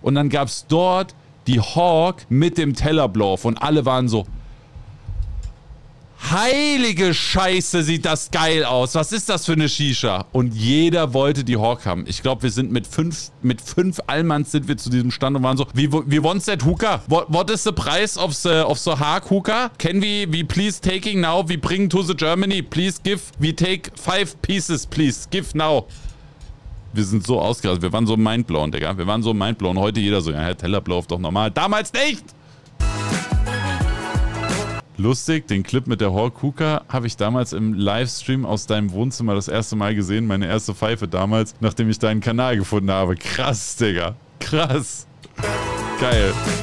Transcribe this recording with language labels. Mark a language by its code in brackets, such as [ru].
[de] Und dann gab es dort die Hawk mit dem Teller-Blow-Off. Und alle waren so... Heilige Scheiße, sieht das geil aus. Was ist das für eine Shisha? Und jeder wollte die Hawk haben. Ich glaube, wir sind mit fünf Allmanns sind wir zu diesem Stand und waren so, [en] we want that hooker. What is the price of the Hawk hooker? Can we please taking now? We bring to the Germany. Please give, we take 5 pieces, please. Give now. [de] Wir sind so ausgerastet. Wir waren so mindblown, Digga. Wir waren so mindblown. Heute jeder so, ja, Herr Teller, blow doch normal. Damals nicht! Lustig, den Clip mit der Hawk Hooker habe ich damals im Livestream aus deinem Wohnzimmer das erste Mal gesehen. Meine erste Pfeife damals, nachdem ich deinen Kanal gefunden habe. Krass, Digga. Krass. Geil.